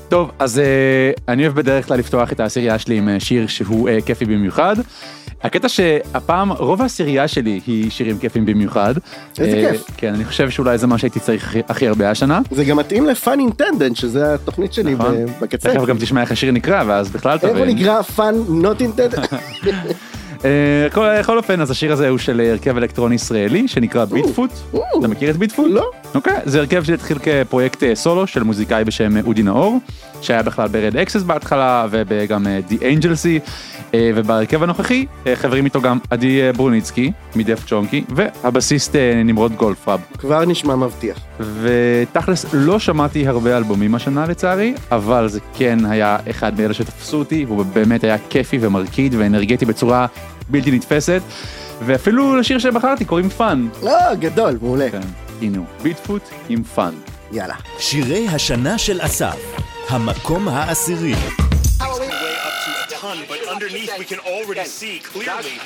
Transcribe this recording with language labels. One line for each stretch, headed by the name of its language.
Hebrew: טוב, אז אני אוהב בדרך כלל לפתוח את העשירייה שלי עם שיר שהוא כיפי במיוחד. הקטע שהפעם רוב העשירייה שלי היא שירים כיפים במיוחד. איזה כיף. כן, אני חושב שאולי זה מה שהייתי צריך הכי הרבה השנה. זה גם מתאים ל-Fun Intended, שזה התוכנית שלי בקצה. תכף גם תשמע איך השיר נקרא, ואז בכלל תבין. איפה נקרא Fun Not Intended? כל אופן, אז השיר הזה הוא של הרכב אלקטרון ישראלי, שנקרא ביטפוט. אתה מכיר את ביטפוט? לא. אוקיי, זה הרכב שהתחיל כפרויקט סולו של מוזיקאי בשם אודי נאור, שהיה בכלל ברד אקסס בהתחלה, וגם די אנג'לסי, ובהרכב הנוכחי, חברים איתו גם עדי ברוניצקי, מדף צ'ונקי, והבסיסט נמרוד גולפרב. כבר נשמע מבטיח. ותכלס, לא שמעתי הרבה אלבומים השנה לצערי, אבל זה כן היה אחד מאלה שתפסו אותי, הוא באמת היה כיפי ומרקיד ואנרגטי בצורה בלתי נתפסת, ואפילו לשיר שבחרתי קוראים פאן. לא, גדול, מעולה. כן, הנה הוא, ביטפוט עם פאן. יאללה. שירי השנה של אסף, המקום העשירי.
English: But underneath we can already see clearly.